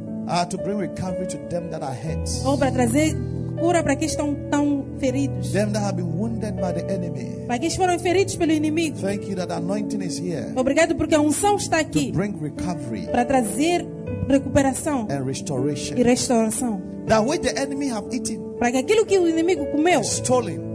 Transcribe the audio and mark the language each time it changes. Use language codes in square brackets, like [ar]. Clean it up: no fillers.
[en] Ah, to bring recovery to them that are hurt. [pt] Oh, para trazer cura para aqueles que estão tão feridos. [en] Them that have been wounded by the enemy. [pt] Para aqueles que foram feridos pelo inimigo. [en] Thank you that anointing is here. [pt] Obrigado porque a unção está aqui. [en] To bring recovery. [pt] Para trazer recuperação. [en] And restoration. [pt] E restauração. [en] That which the enemy have eaten. [pt] Para que aquilo que o inimigo comeu. [en] Stolen.